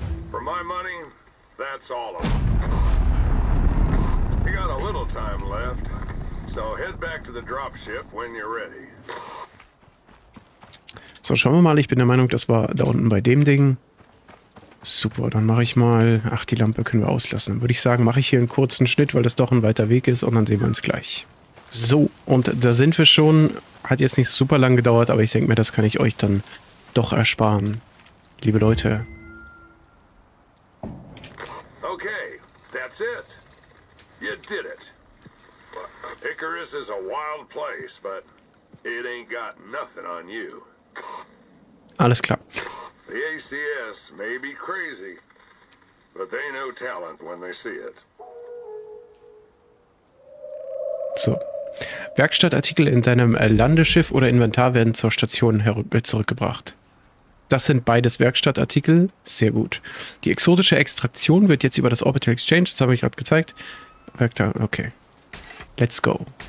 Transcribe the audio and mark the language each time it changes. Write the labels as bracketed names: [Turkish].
[English] For my money, that's all of them. We got a little time left, so head back to the dropship when you're ready. [German] So, schauen wir mal. Ich bin der Meinung, das war da unten bei dem Ding. Super, dann mache ich mal... Ach, die Lampe können wir auslassen. Dann würde ich sagen, mache ich hier einen kurzen Schnitt, weil das doch ein weiter Weg ist und dann sehen wir uns gleich. So, und da sind wir schon. Hat jetzt nicht super lang gedauert, aber ich denke mir, das kann ich euch dann doch ersparen. Liebe Leute. [English] Okay, that's it. You did it. Icarus is a wild place, but it ain't got nothing on you. [German] Alles klar. [English] The ACS may be crazy, but they know talent when they see it. [German] So. Werkstattartikel in deinem Landeschiff oder Inventar werden zur Station zurückgebracht. Das sind beides Werkstattartikel. Sehr gut. Die exotische Extraktion wird jetzt über das Orbital Exchange, das habe ich gerade gezeigt. Okay. [English] Let's go.